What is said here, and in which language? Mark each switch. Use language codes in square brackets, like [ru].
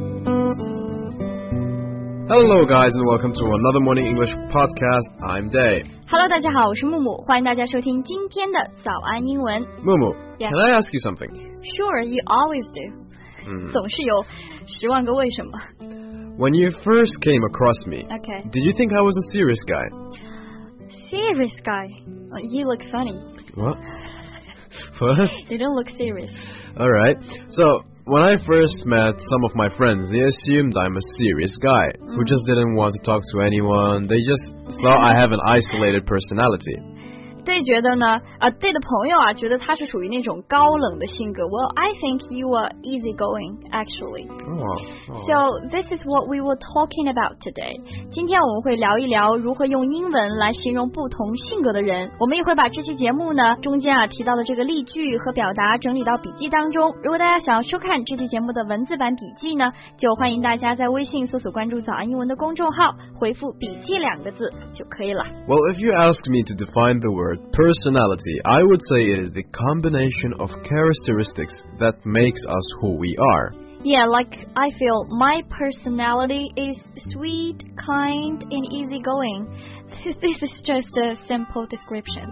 [en] Hello, guys, and welcome to another Morning English podcast. I'm Day. [zh] Hello, 大家好，我是木木，欢迎大家收听今天的早安英文。 [en] 木木、yes. Can I ask you something? Sure, you always do.、 [zh] 总是有十万个为什么。 [en] When you first came across me, okay, did you think I was a serious guy? Serious guy? You look funny. What? You don't look serious. All right. So, when I first met some of my friends, they assumed I'm a serious guy, who just didn't want to talk to anyone. They just thought I have an isolated personality. [zh] 对，觉得呢，对的朋友啊，觉得他是属于那种高冷的性格。 [en] Well, I think you are easygoing, actually. So, this is what we were talking about today. [zh] 今天我们会聊一聊如何用英文来形容不同性格的人。我们也会把这期节目呢，中间啊提到的这个例句和表达整理到笔记当中。如果大家想要收看这期节目的文字版笔记呢，就欢迎大家在微信搜索关注早安英文的公众号，回复笔记两个字就可以了。 [en] Well, if you ask me to define the word personality, I would say it is the combination of characteristics that makes us who we are. Yeah, like I feel my personality is sweet, kind, and easygoing. This is just a simple description.